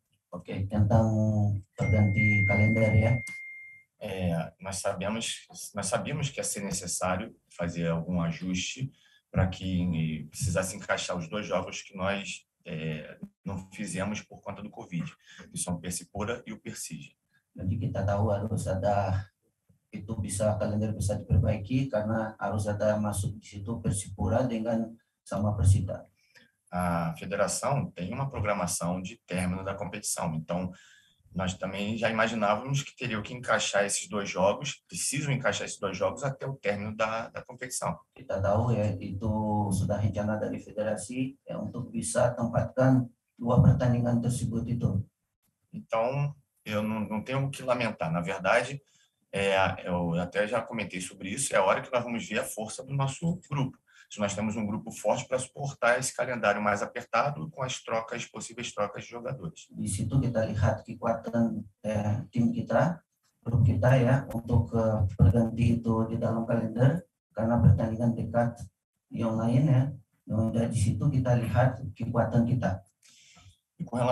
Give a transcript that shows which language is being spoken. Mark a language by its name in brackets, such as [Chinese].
[Portuguese] Ok, tentando perguntar de calendário, né? Nós sabíamos que ia ser necessário fazer algum ajuste para que precisasse encaixar os dois jogos que nós não fizemos por conta do Covid, que são o Persipura e o Persija. [Indonesian] Jadi kita tahu harus ada itu bisa kalender bisa diperbaiki karena harus ada masuk di situ Persipura dengan sama Persita. [Portuguese] A federação tem uma programação de término da competição, então nós também já imaginávamos que teria que encaixar esses dois jogos, precisam encaixar esses dois jogos até o término da competição. [Indonesian] Kita tahu ya itu sudah rencana dari federasi ya untuk bisa tempatkan dua pertandingan tersebut itu. [Portuguese] Então eu não tenho o que lamentar, na verdade eu até já comentei sobre isso, é a hora que nós vamos ver a força do nosso grupo. Se nós temos grupo forte para suportar esse calendário mais apertado com as trocas, possíveis trocas de jogadores. [Indonesian] Di situ kita lihat kekuatan tim kita, grup kita ya, untuk berganti itu di dalam kalender karena pertandingan dekat yang lain ya. Di situ kita lihat kekuatan kita.